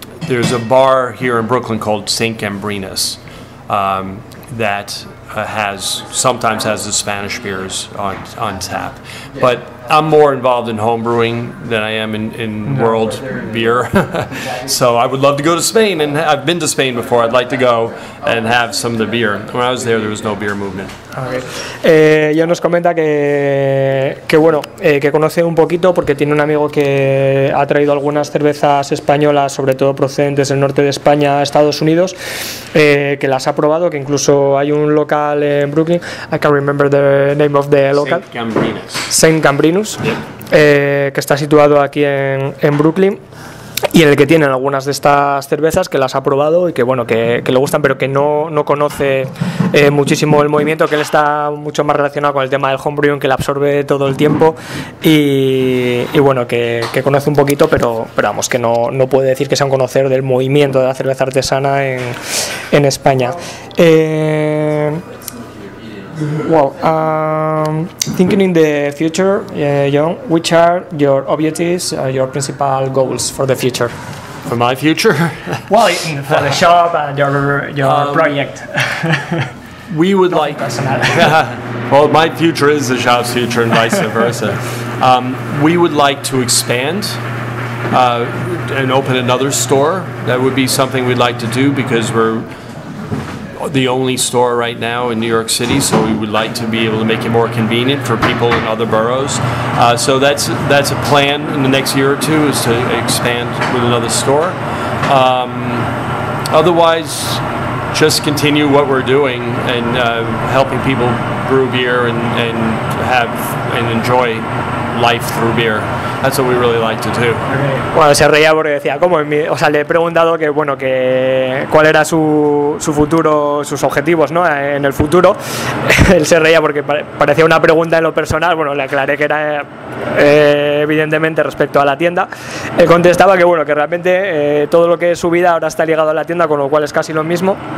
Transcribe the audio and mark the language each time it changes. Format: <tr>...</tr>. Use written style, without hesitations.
<en>There's a bar here in Brooklyn called St. Gambrinus that sometimes has the Spanish beers on tap, but I'm more involved in home brewing than I am in world beer. So I would love to go to Spain, and I've been to Spain before. I'd like to go and have some of the beer. When I was there was no beer movement. Okay.</en> <es>Nos comenta que conoce un poquito porque tiene un amigo que ha traído algunas cervezas españolas, sobre todo procedentes del norte de España a Estados Unidos, que las ha probado, que incluso hay un local en Brooklyn.</es> <en>I can't remember the name of the local. St. Gambrinus.</en> <es>Que está situado aquí en Brooklyn y en el que tienen algunas de estas cervezas que las ha probado y que bueno que le gustan, pero que no conoce muchísimo el movimiento, que él está mucho más relacionado con el tema del homebrewing, que le absorbe todo el tiempo y bueno que conoce un poquito, pero vamos, que no puede decir que sea un conocedor del movimiento de la cerveza artesana en España.</es> <en>Well, thinking in the future, John, which are your objectives, your principal goals for the future? For my future? Well, for the shop and your project. We would like... Well, my future is the shop's future and vice versa. We would like to expand and open another store. That would be something we'd like to do because we're the only store right now in New York City, so we would like to be able to make it more convenient for people in other boroughs. So that's a plan in the next year or two, is to expand with another store. Otherwise, just continue what we're doing and helping people brew beer and have and enjoy life through beer. That's what we really like to do.</en> <es>Bueno, se reía porque decía, ¿cómo? O sea, le he preguntado que, bueno, que cuál era su futuro, sus objetivos, ¿no? En el futuro. Él se reía porque parecía una pregunta en lo personal. Bueno, le aclaré que era evidentemente respecto a la tienda. Él contestaba que, bueno, que realmente todo lo que es su vida ahora está ligado a la tienda, con lo cual es casi lo mismo.</es>